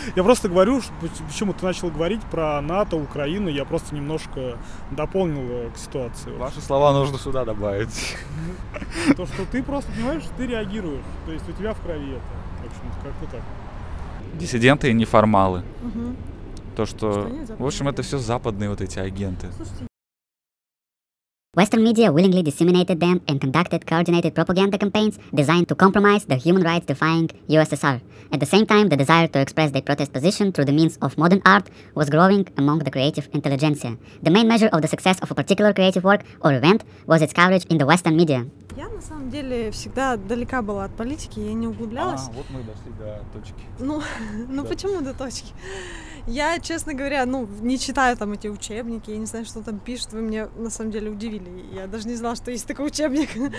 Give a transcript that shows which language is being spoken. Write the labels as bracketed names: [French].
[Russian] Я просто говорю, почему ты начал говорить про НАТО, Украину, я просто немножко дополнил к ситуации. Ваши слова нужно сюда добавить. То, что ты просто, понимаешь, ты реагируешь. То есть у тебя в крови это. В общем-то, как-то так. Диссиденты и неформалы. То, что... В общем, это все западные вот эти агенты. [English] Western media willingly disseminated them and conducted coordinated propaganda campaigns designed to compromise the human rights defying USSR. At the same time, the desire to express their protest position through the means of modern art was growing among the creative intelligentsia. The main measure of the success of a particular creative work or event was its coverage in the Western media. [Russian] Я, на самом деле, всегда далека была от политики, я не углублялась. А, вот мы дошли до точки. Ну, ну почему до точки? Я, честно говоря, ну, не читаю там эти учебники, я не знаю, что там пишут, вы меня на самом деле удивили. Я даже не знала, что есть такой учебник.